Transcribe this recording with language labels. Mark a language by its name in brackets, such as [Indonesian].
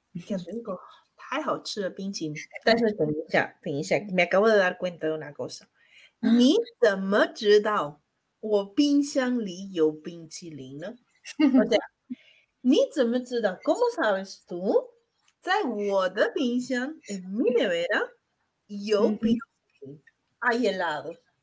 [Spanish] Qué rico, [Chinese] 太好吃了冰淇淋。但是等一下， [Spanish] me acabo de dar cuenta de una cosa。 [Chinese] 你怎么知道我冰箱里有冰淇淋呢？或者你怎么知道？ [Spanish] ¿Cómo sabes tú？ [Chinese] 在我的冰箱， [Spanish] en mi nevera， [Chinese] 有冰淇淋， [Spanish] hay helado。